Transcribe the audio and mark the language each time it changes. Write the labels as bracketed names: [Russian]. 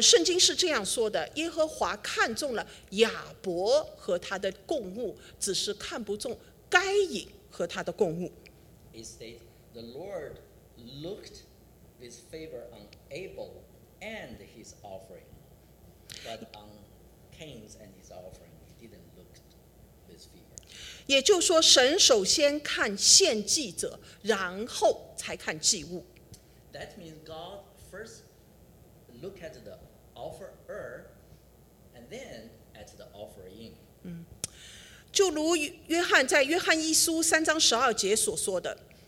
[Chinese] 圣经是这样说的：耶和华看中了亚伯和他的供物，只是看不中该隐和他的供物。 [English] It states the Lord looked with favor on Abel and his offering. But on Cain's and his offering, he didn't look with favor. [Chinese] 也就是说，神首先看献祭者，然后才看祭物。 [English] That means God first look at the offerer, and then at the offering. [Chinese] 就如约翰在约翰一书三章十二节所说的。